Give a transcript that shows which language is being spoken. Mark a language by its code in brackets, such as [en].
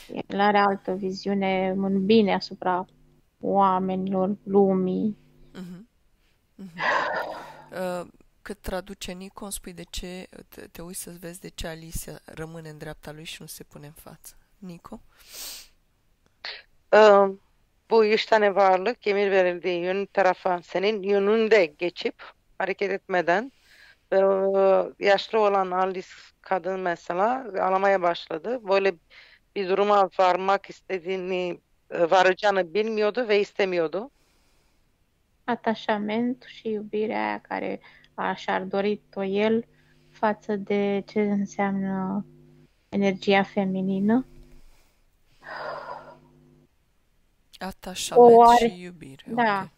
[ro] El are altă viziune în bine asupra oamenilor, lumii. Cât traduce Nico, spui de ce te uiți să vezi de ce Alicia rămâne în dreapta lui și nu se pune în față. Nico? [tr] Bu üç tane varlık emir verildiği yön tarafa senin yönünde geçip hareket etmeden yaşlı olan Alice kadın mesela ağlamaya başladı. Böyle bir duruma varmak istediğini varacağını bilmiyordu ve istemiyordu. [ro] Atașamentul și iubirea aia care așa ar dorit-o el față de ce înseamnă energia feminină. Atașament O are, și iubire. Ok.